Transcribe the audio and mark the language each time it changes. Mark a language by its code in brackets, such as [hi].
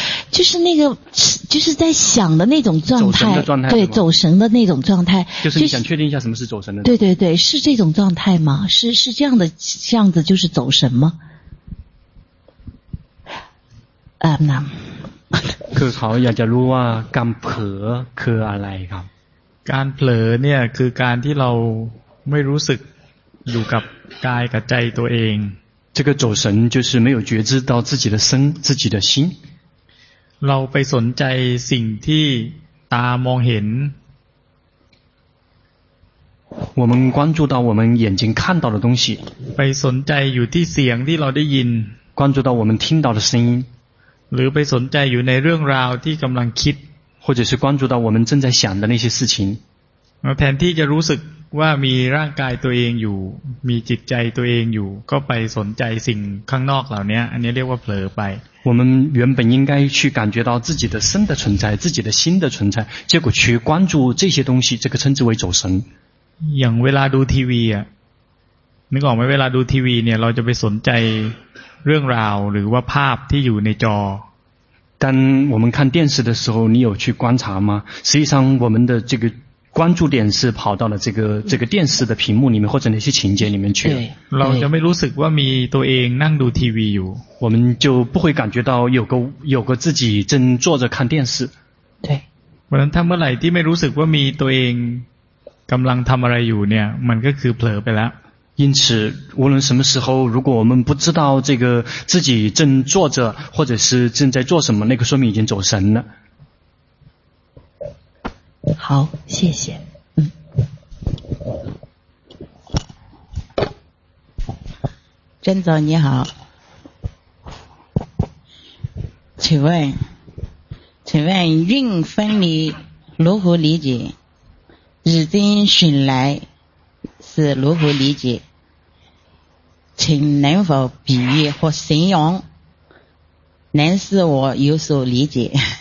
[zh] 就是那个就是在想的那种状态走神的状态对走神的那种状态就是你想确定一下什么是走神的对对对是这种状态吗是这样的这样子就是走神吗那 [th] คือเขาอยากจะรู้ว่าการเผลอคืออะไรครับ การเผลอเนี่ยคือการที่เราไม่รู้สึกอยู่กับกายกับใจตัวเอง [zh] 这个走神就是没有觉知到自己的身自己的心 [th] เราไปสนใจสิ่งที่ตามองเห็น [zh] 我们关注到我们眼睛看到的东西 [th] ไปสนใจอยู่ที่เสียงที่เราได้ยิน [zh] 关注到我们听到的声音 [th] หรือไปสนใจอยู่ในเรื่องราวที่กำลังคิด [zh] 或者是关注到我们正在想的那些事情 [th] แทนที่จะรู้สึกว่ามีร่างกายตัวเองอยู่มีจิตใจตัวเองอยู่ก็ไปสนใจสิ่งข้างนอกเหล่านี้อันนี้เรียกว่าเผลอไป [zh] 我们原本应该去感觉到自己的身的存在自己的心的存在结果去关注这些东西这个称之为走神 [th] อย่างเวลาดูทีวีนึกออกไหมเวลาดูทีวีเนี่ยเราจะไปสนใจเรื่องราวหรือว่าภาพที่อยู่ในจอ [zh] dan 我们看电视的时候你有去观察吗实际上我们的这个关注点是跑到了这个电视的屏幕里面或者那些情节里面去 [th] เราจะไม่รู้สึกว่ามีตัวเองนั่งดูทีวีอยู่ [zh] 我们就不会感觉到有个自己正坐着看电视对 [th] เพราะฉะนั้นเมื่อไหร่ที่ไม่รู้สึกว่ามีตัวเองกำลังทำอะไรอยู่เนี่ยมันก็คือเผลอไปแล้ว [zh] 因此无论什么时候如果我们不知道这个自己正坐着或者是正在做什么那个说明已经走神了好谢谢嗯郑总你好请问运分离如何理解日经寻来是如何理解请能否比喻或形容能使我有所理解